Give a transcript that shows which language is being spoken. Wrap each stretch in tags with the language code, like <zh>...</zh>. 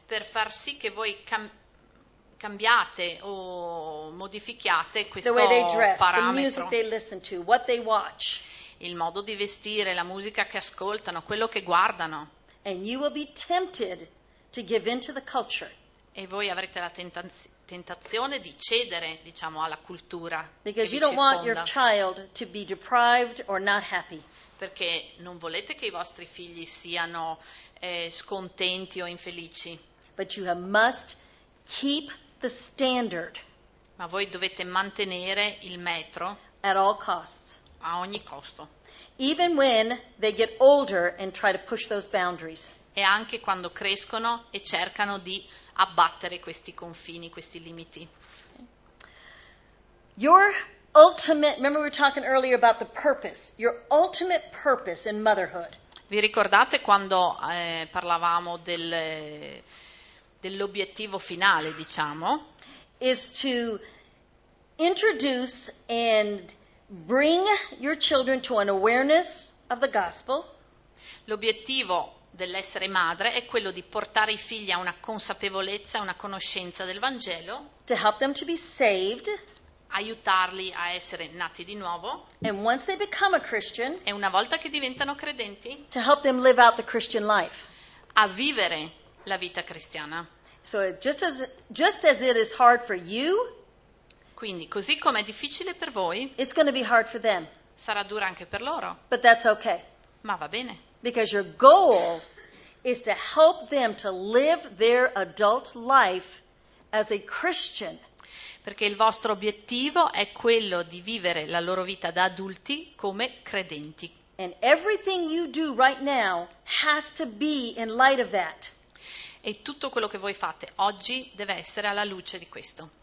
<it>Per far sì che voi cambiate o modifichiate questo parametro.</it> <en>The way they dress,</en> <it>parametro.</it> <en>The music they listen to, what they watch.</en> <it>Il modo di vestire, la musica che ascoltano, quello che guardano.</it> <en>And you will be tempted to give in to the culture.</en> <it>E voi avrete la tentazione di cedere, diciamo, alla cultura.</it> <en>Because you don't want your child to be deprived or not happy.</en> <it>Perché non volete che i vostri figli siano scontenti o infelici.</it> <en>But you must keep the standard.</en> <it>Ma voi dovete mantenere il metro.</it> <en>At all costs.</en> <it>A ogni costo.</it> <en>Even when they get older and try to push those boundaries.</en> <it>E anche quando crescono e cercano di abbattere questi confini, questi limiti.</it> <en>Your ultimate, remember we were talking earlier about the purpose, your ultimate purpose in motherhood.</en> <it>Vi ricordate quando parlavamo dell'obiettivo finale, diciamo?</it> <en>Is to introduce and bring your children to an awareness of the gospel.</en> <it>L'obiettivo dell'essere madre è quello di portare i figli a una consapevolezza, una conoscenza del Vangelo.</it> <en>To help them to be saved.</en> <it>Aiutarli a essere nati di nuovo.</it> <en>And once they become a Christian.</en> <it>E una volta che diventano credenti.</it> <en>To help them live out the Christian life.</en> <it>A vivere la vita cristiana.</it> <en>So just as it is hard for you.</en> <it>Quindi, così come è difficile per voi,</it> <en>it's going to be hard for them.</en> <it>Sarà dura anche per loro.</it> <en>But that's okay.</en> <it>Ma va bene.</it> <en>Because your goal is to help them to live their adult life as a Christian.</en> <it>Perché il vostro obiettivo è quello di vivere la loro vita da adulti come credenti.</it> <en>And everything you do right now has to be in light of that.</en> <it>E tutto quello che voi fate oggi deve essere alla luce di questo.</it>